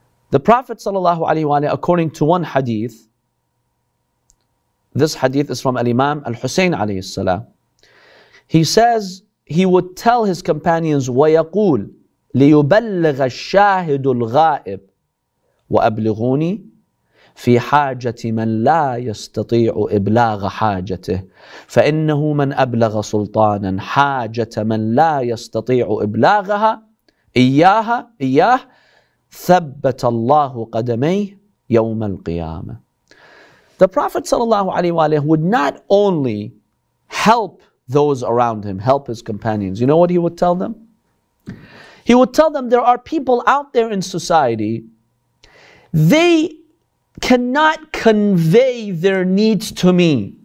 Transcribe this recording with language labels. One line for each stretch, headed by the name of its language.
English: The Prophet ﷺ, according to one hadith, this hadith is from Al-Imam Al-Husayn ﷺ, he says, he would tell his companions,
Arabic: ويقول ليبلغ الشاهد الغائب وأبلغوني في حاجة من لا يستطيع إبلاغ حاجته فإنه من أبلغ سلطانا حاجة من لا يستطيع إبلاغها إياه ثبت الله قدميه يوم القيامة.
English: The Prophet sallallahu alaihi wa alayhi would not only help those around him, help his companions. You know what he would tell them? He would tell them there are people out there in society, they cannot convey their needs to me.